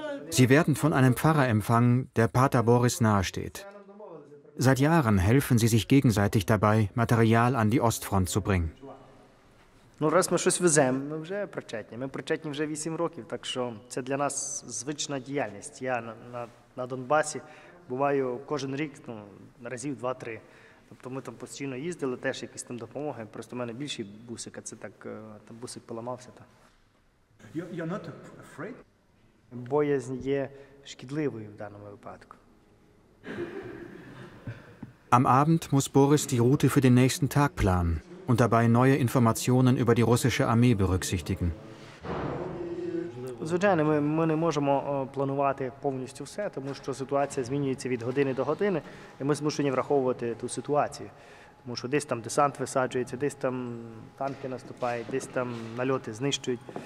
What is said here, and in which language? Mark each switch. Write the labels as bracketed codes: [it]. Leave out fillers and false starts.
[de] Sie werden von einem Pfarrer empfangen, der Pater Boris nahesteht. Seit Jahren helfen sie sich gegenseitig dabei, Material an die Ostfront zu bringen. [uk] Ну, раз ми щось веземо, ми вже причетні. Ми причетні вже 8 років, так що це для нас звична діяльність. Я на Донбасі буваю кожен рік, ну, разів 2-3. Тобто ми там постійно їздили, теж якісь там допомоги. Просто в мене більший бусик, а це так, там бусик поламався. [en] You're not afraid? [uk] Боязнь є шкідливою в даному випадку. [de] Am Abend muss Boris die Route für den nächsten Tag planen. Und dabei neue Informationen über die russische Armee berücksichtigen. [uk] Звичайно, ми не можемо планувати повністю все, тому що ситуація змінюється від години до години, і ми змушені враховувати ту ситуацію. Тому що десь там десант висаджується, десь там танки наступають, десь там нальоти знищують.